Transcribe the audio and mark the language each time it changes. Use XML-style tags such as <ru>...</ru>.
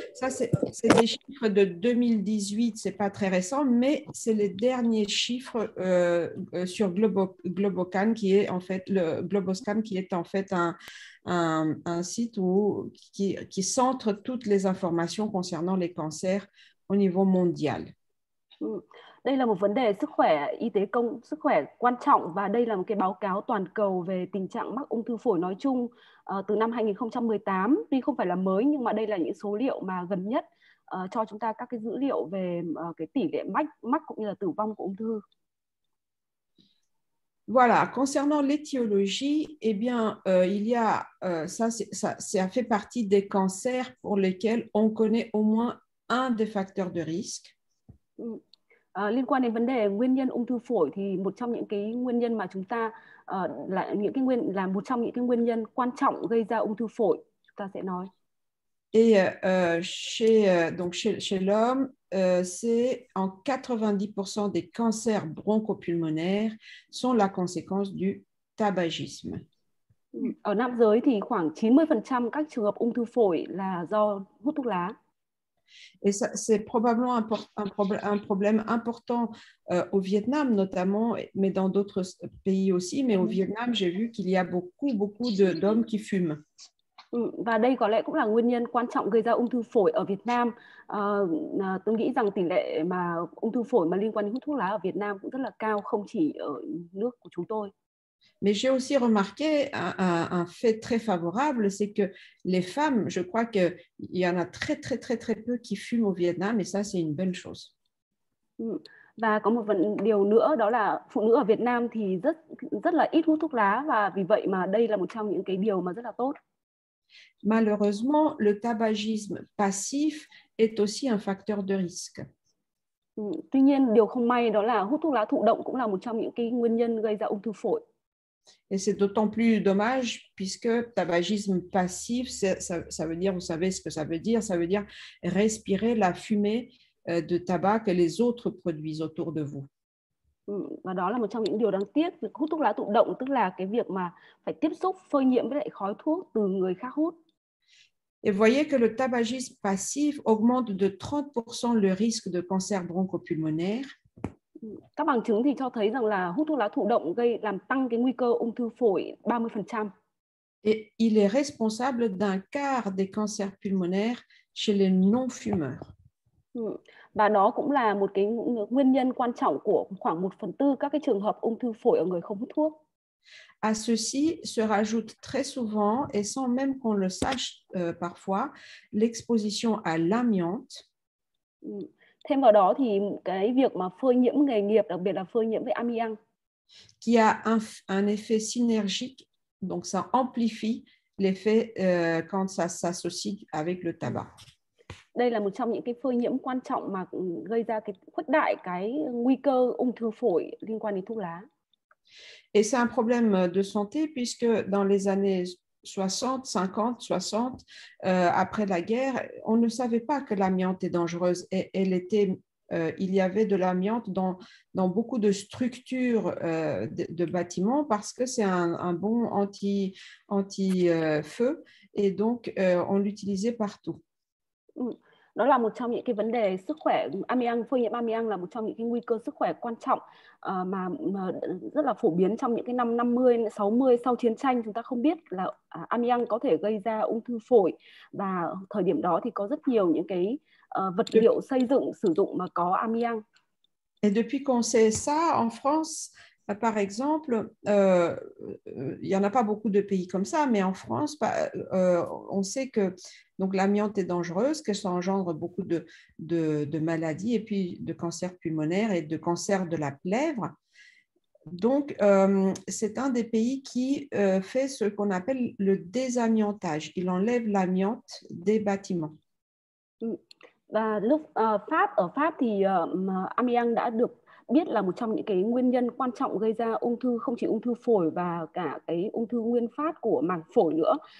<fr>Ça, c'est des chiffres de 2018. C'est pas très récent, mais c'est les derniers chiffres sur Globocan, qui est en fait le Globoscan, qui est en fait un site qui centre toutes les informations concernant les cancers au niveau mondial.</fr> <vi>Đây là một vấn đề sức khỏe y tế công sức khỏe quan trọng và đây là một cái báo cáo toàn cầu về tình trạng mắc ung thư phổi nói chung từ năm 2018. Tuy không phải là mới nhưng mà đây là những số liệu mà gần nhất cho chúng ta các cái dữ liệu về cái tỷ lệ mắc cũng như là tử vong của ung thư.</vi> <fr>Voilà, concernant l'étiologie, eh bien, ça fait partie des cancers pour lesquels on connaît au moins un des facteurs de risque.</fr> <vi>Liên quan đến vấn đề nguyên nhân ung thư phổi thì một trong những cái nguyên nhân mà chúng ta là một trong những cái nguyên nhân quan trọng gây ra ung thư phổi chúng ta sẽ nói.</vi> <fr>Et chez l'homme, c'est en 90% des cancers bronchopulmonaires sont la conséquence du tabagisme.</fr> <vi>Ở nam giới thì khoảng 90% các trường hợp ung thư phổi là do hút thuốc lá.</vi> <fr>Et ça, c'est probablement un problème important au Vietnam notamment, mais dans d'autres pays aussi. Mais au Vietnam, j'ai vu qu'il y a beaucoup d'hommes qui fument.</fr> <vi>Và đây có lẽ cũng là nguyên nhân quan trọng gây ra ung thư phổi ở Việt Nam. Tôi nghĩ rằng tỷ lệ mà ung thư phổi mà liên quan đến hút thuốc lá ở Việt Nam cũng rất là cao, không chỉ ở nước của chúng tôi.</vi> <fr>Mais j'ai aussi remarqué un fait très favorable, c'est que les femmes, je crois qu'il y en a très très très très peu qui fument au Vietnam, et ça c'est une bonne chose.</fr> <vi>Và có một vấn điều nữa, đó là phụ nữ ở Việt Nam thì rất rất là ít hút thuốc lá, và vì vậy mà đây là một trong những cái điều mà rất là tốt.</vi> <fr>Malheureusement, le tabagisme passif est aussi un facteur de risque.</fr> <vi>Tuy nhiên, điều không may đó là hút thuốc lá thụ động cũng là một trong những cái nguyên nhân gây ra ung thư phổi.</vi> <fr>Et c'est d'autant plus dommage puisque tabagisme passif, ça veut dire, vous savez ce que ça veut dire, ça veut dire respirer la fumée de tabac que les autres produisent autour de vous.</fr> <vi>Và đó là một trong những điều đáng tiếc, hút thuốc lá thụ động, tức là cái việc mà phải tiếp xúc, phơi nhiễm với lại khói thuốc từ người khác hút.</vi> <fr>Et voyez que le tabagisme passif augmente de 30% le risque de cancer bronchopulmonaire.</fr> <vi>Các bằng chứng thì cho thấy rằng là hút thuốc lá thụ động gây làm tăng cái nguy cơ ung thư phổi 30%.</vi> <fr>Et il est responsable d'un quart des cancers pulmonaires chez les non-fumeurs.</fr> <vi>Và đó cũng là một cái nguyên nhân quan trọng của khoảng 1/4 các cái trường hợp ung thư phổi ở người không hút thuốc.</vi> <fr>À ceci se rajoute très souvent et sans même qu'on le sache parfois l'exposition à l'amiante.</fr> <vi>Thêm vào đó thì cái việc mà phơi nhiễm nghề nghiệp, đặc biệt là phơi nhiễm với amiang,</vi> <fr>qui a un effet synergique, donc ça amplifie l'effet quand ça s'associe avec le tabac.</fr> <vi>Đây là một trong những cái phơi nhiễm quan trọng mà gây ra cái khuếch đại cái nguy cơ ung thư phổi liên quan đến thuốc lá.</vi> <fr>Et c'est un problème de santé puisque dans les années 60, 50, 60, après la guerre, on ne savait pas que l'amiante est dangereuse. Et elle était, il y avait de l'amiante dans beaucoup de structures de bâtiments parce que c'est un bon anti-feu et donc on l'utilisait partout.</fr> <vi>Đó là một trong những cái vấn đề sức khỏe amiang, phơi nhiễm amiang là một trong những cái nguy cơ sức khỏe quan trọng mà rất là phổ biến trong những cái năm 50, 60 sau chiến tranh. Chúng ta không biết là amiang có thể gây ra ung thư phổi, và thời điểm đó thì có rất nhiều những cái vật liệu xây dựng sử dụng mà có amiang.</vi> <fr>Et depuis qu'on sait ça en France par exemple, il y en a pas beaucoup de pays comme ça, mais en France on sait que donc l'amiante est dangereuse, que ça engendre beaucoup de maladies et puis de cancers pulmonaires et de cancers de la plèvre. Donc c'est un des pays qui fait ce qu'on appelle le désamiantage. Il enlève l'amiante des bâtiments.</fr> <vi>Và lúc Pháp, ở Pháp thì amiang đã được biết là một trong những cái nguyên nhân quan trọng gây ra ung thư, không chỉ ung thư phổi và cả cái ung thư nguyên phát của màng phổi nữa.</vi>